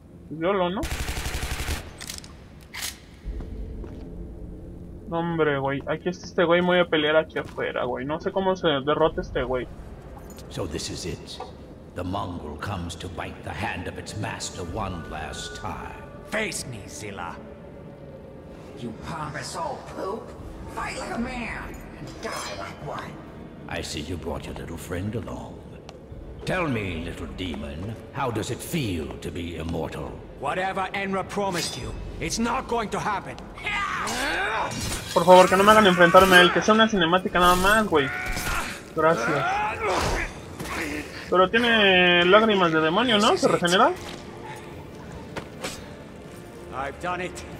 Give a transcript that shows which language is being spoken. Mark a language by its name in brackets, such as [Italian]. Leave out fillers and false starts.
[Spanish] Yolo, ¿no? No, hombre, güey. Aquí está este güey. Voy a pelear aquí afuera, güey. No sé cómo se derrota este güey. [English] So this is it. The Mongol comes to bite the hand of its master one last time. Face me, Zilla. You pompous old poop. Fight like a man and die like one. I see you brought your little friend along. Tell me, little demon, how does it feel to be immortal? Whatever Enra promised you, it's not going to happen. [Spanish] Por favor, que no me hagan enfrentarme a él, que sea una cinemática nada más, güey. Gracias. Pero tiene lágrimas de demonio, ¿no? ¿Se regenera? [English] I've done it.